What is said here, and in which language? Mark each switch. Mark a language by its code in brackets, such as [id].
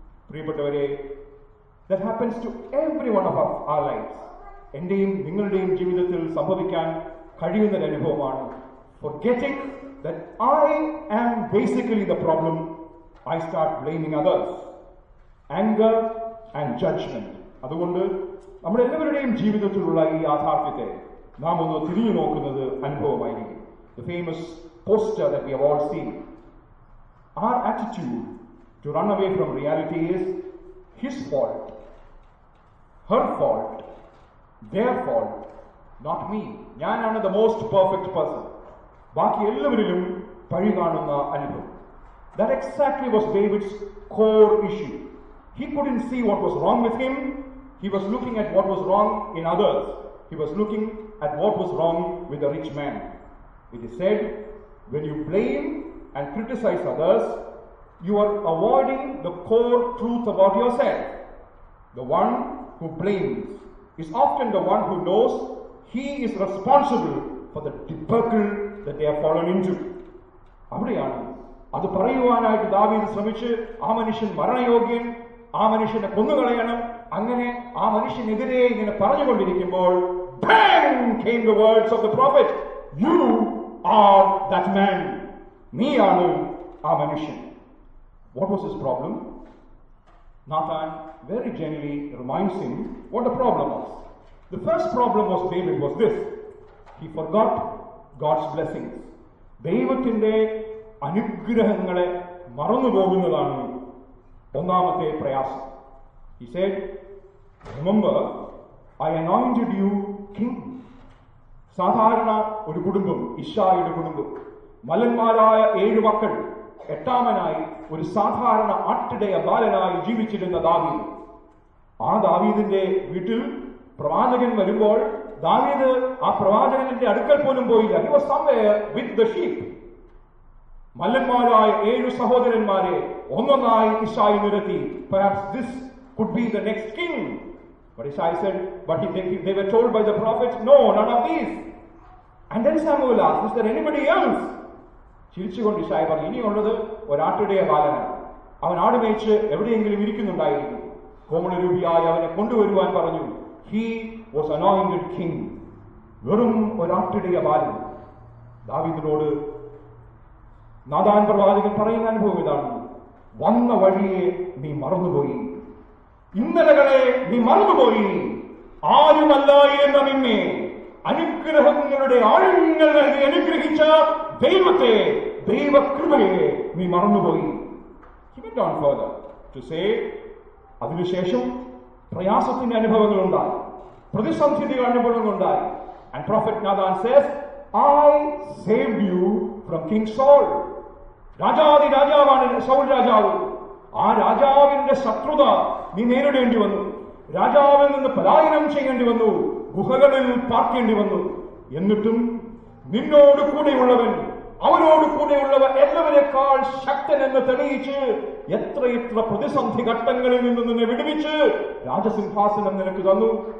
[en] പ്രിയപ്പെട്ടവരെ, that happens to every one of our lives. [ml] എന്റെയും നിങ്ങളുടെയും ജീവിതത്തിൽ സംഭവിക്കാൻ കഴിയുന്ന ഒരു അനുഭവമാണ്. [en] Forgetting that I am basically the problem, I start blaming others. Anger and judgment. [ml] അതുകൊണ്ട് നമ്മുടെ എല്ലാവരുടെയും ജീവിതത്തിലുള്ള ഈ യാഥാർത്ഥ്യത്തെ നാം ഒന്ന് തിരിഞ്ഞു നോക്കുന്നത് അനുഭവമായിരിക്കും. [en] The famous poster that we have all seen. Our attitude to run away from reality is his fault, her fault, their fault, not me. [ml] ഞാനാണ് [en] the most perfect person. [ml] ബാക്കി എല്ലാവരിലും പഴി കാണുന്ന അനുഭവം. [en] That exactly was David's core issue. He couldn't see what was wrong with him. He was looking at what was wrong in others. He was looking at what was wrong with the rich man. It is said, when you blame and criticize others, you are avoiding the core truth about yourself. The one who blames is often the one who knows he is responsible for the debacle that they have fallen into. [ml] അവിടെയാണ് അത് പറയുവാനായിട്ട് ദാവീദ് ശ്രമിച്ച് ആ മനുഷ്യൻ മരണയോഗ്യൻ, ആ മനുഷ്യനെ കൊന്നുകളയണം, അങ്ങനെ ആ മനുഷ്യനെതിരെ ഇങ്ങനെ പറഞ്ഞുകൊണ്ടിരിക്കുമ്പോൾ [en] bang came the words of the prophet, you are that man. [ml] നീയാണ് ആ മനുഷ്യൻ. [en] What was his problem? Nathan very gently reminds him what the problem was. The first problem was David was this. He forgot God's blessings. [ml] ദൈവത്തിന്റെ അനുഗ്രഹങ്ങളെ മറന്നു പോകുന്നതാണ് ഒന്നാമത്തെ പ്രയാസം. [en] He said, remember, I anointed you king. [ml] സാധാരണ ഒരു കുടുംബം, ഇശായിയുടെ കുടുംബം, മലന്മാരായ ഏഴു മക്കൾ, എട്ടാമനായി ഒരു സാധാരണ ആട്ടിടയ ബാലനായി ജീവിച്ചിരുന്ന ദാവീദ്. ആ ദാവീദിന്റെ വീട്ടിൽ പ്രവാചകൻ വരുമ്പോൾ ദാവീദ് ആ പ്രവാചകന്റെ അടുക്കൽ പോലും പോയില്ല. [en] He was somewhere with the sheep. [ml] മല്ലന്മാരായ ഏഴു സഹോദരന്മാരെ ഒന്നൊന്നായി ഇശായി നിരത്തി. [en] Perhaps this could be the next king. But Ishai said, they were told by the prophet, no, none of these. And then Samuel asked, is there anybody else? [ml] ചിരിച്ചുകൊണ്ട് ഇശായി പറഞ്ഞു, ഇനിയുള്ളത് ഒരാട്ടിടയ ബാലനാണ്. അവൻ ആടുമേച്ച് എവിടെയെങ്കിലും ഇരിക്കുന്നുണ്ടായിരുന്നു. കോമളരൂപിയായി അവനെ കൊണ്ടുവരുവാൻ പറഞ്ഞു. [en] He was anointed king. [ml] വെറും ഒരാട്ടിടയ ബാലൻ. ദാവീദിനോട് നാഥാൻ പ്രവാചകൻ പറയുന്ന അനുഭവം ഇതാണ്, വന്ന വഴിയെ നീ മറന്നുപോയി, ഇന്നലകളെ നീ മറന്നുപോയി, ആരുമല്ലായിരുന്ന നിന്നെ, അനുഗ്രഹങ്ങളുടെ ആഴങ്ങൾ നൽകി അനുഗ്രഹിച്ച ദൈവത്തെ, ദൈവകൃപയെ നീ മറന്നുപോയി. [en] He went on further to say, [ml] അതിനുശേഷം പ്രയാസത്തിന്റെ അനുഭവങ്ങളുണ്ടായി, പ്രതിസന്ധിയുടെ അനുഭവങ്ങളുണ്ടായി. [en] And prophet Nathan says, I saved you from King Saul. [ml] രാജാദി രാജാവാണ് സൗൽ രാജാവ്. ആ രാജാവിന്റെ ശത്രുത നീ നേരിടേണ്ടി വന്നു, രാജാവിൽ നിന്ന് പലായനം ചെയ്യേണ്ടി വന്നു, ഗുഹകളിൽ പാർക്കേണ്ടി വന്നു. എന്നിട്ടും നിന്നോട് കൂടെയുള്ളവൻ, അവനോട് കൂടെയുള്ളവൻ എല്ലാവരെക്കാൾ ശക്തൻ എന്ന് തെളിയിച്ച് എത്രയെത്ര പ്രതിസന്ധി ഘട്ടങ്ങളിൽ നിന്ന് നിന്നെ വിടുവിച്ച് രാജസിംഹാസനം നിനക്ക് തന്നു.